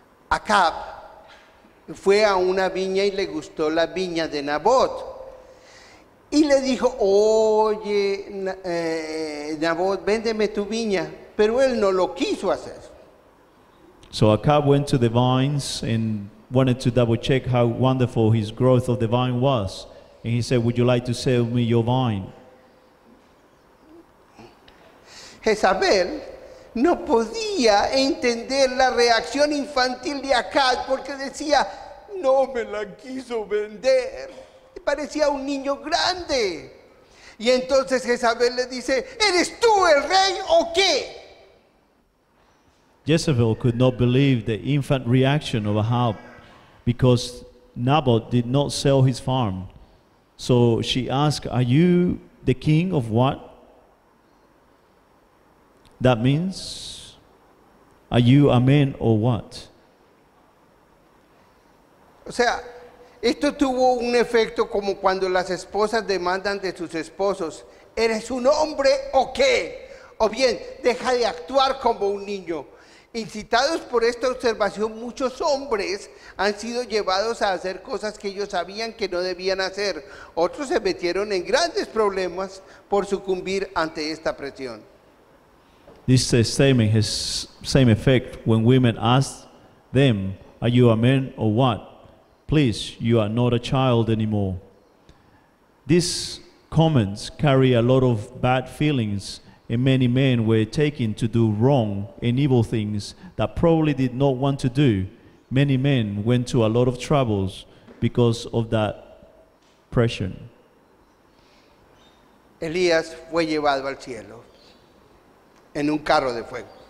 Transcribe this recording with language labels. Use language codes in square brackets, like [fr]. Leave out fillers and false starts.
[es] Ahab fue a una viña y le gustó la viña de Nabot. Y le dijo: oye, Nabot, véndeme tu viña. Pero él no lo quiso hacer. [en] So Acab went to the vines and wanted to double check how wonderful his growth of the vine was. And he said, would you like to sell me your vine? [es] Jezabel no podía entender la reacción infantil de Acab porque decía: no me la quiso vender. Parecía un niño grande. Y entonces Jezabel le dice: ¿eres tú el rey o qué? [en] Jezebel could not believe the infant reaction of Ahab because Nabot did not sell his farm. So she asked, are you the king of what? That means, are you a man or what? [es] O sea, esto tuvo un efecto como cuando las esposas demandan de sus esposos: ¿eres un hombre o qué? O bien, deja de actuar como un niño. Incitados por esta observación, muchos hombres han sido llevados a hacer cosas que ellos sabían que no debían hacer. Otros se metieron en grandes problemas por sucumbir ante esta presión. [en] This statement has same effect when women ask them, are you a man or what? Please, you are not a child anymore. These comments carry a lot of bad feelings, and many men were taken to do wrong and evil things that probably did not want to do. Many men went to a lot of troubles because of that pressure. [es] Elías fue llevado al cielo en un carro de fuego.